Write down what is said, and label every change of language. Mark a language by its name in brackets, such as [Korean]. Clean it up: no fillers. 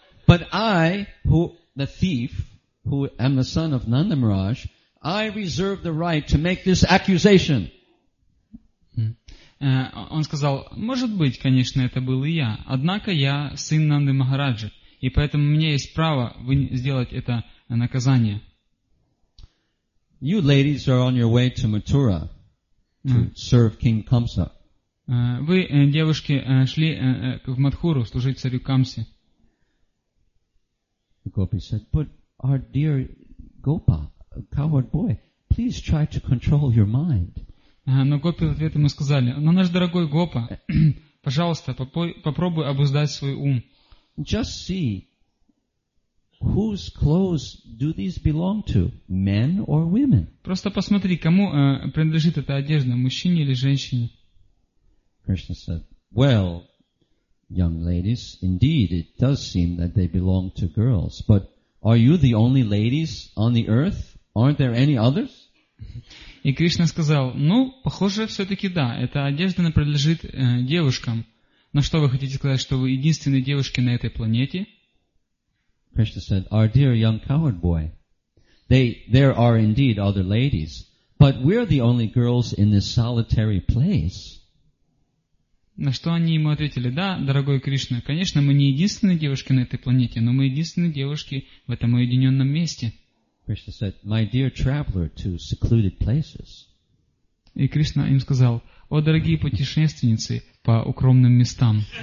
[English] But I, who the thief, who am the son of Nanda Maharaj, I reserve the right to make this accusation." [Russian] Он сказал: "Может быть, конечно, это был и я. Однако я сын Нанды Махараджи, и поэтому у меня есть право сделать это наказание." [English] You ladies are on your way to Mathura to serve King Kamsa. [Russian] Вы, девушки, шли в Матхуру служить царю Камсе. [English] The gopi said, "But our dear Gopa, coward boy, please try to control your mind." [Russian] Но гопи в ответ ему сказали: "Но наш дорогой Гопа, пожалуйста, попробуй обуздать свой ум." [English] Just see, whose clothes do these belong to, men or women? [Russian] Просто посмотри, кому принадлежит эта одежда, мужчине или женщине. [English] Krishna said, "Well, young ladies, indeed, it does seem that they belong to girls. But are you the only ladies on the earth? Aren't there any others?" [Russian] И Кришна сказал: "Ну, похоже, все-таки да, эта одежда принадлежит девушкам. Но что вы хотите сказать, что вы единственные девушки на этой планете?" [English] Krishna said, "Our dear young coward boy, there are indeed other ladies, but we're the only girls in this solitary place." [Russian] На что они ему ответили: "Да, дорогой Кришна, конечно, мы не единственные девушки на этой планете, но мы единственные девушки в этом уединенном месте." [English] Krishna said, "My dear traveler to secluded places." [Russian] И Кришна им сказал: "О, дорогие путешественницы по укромным местам."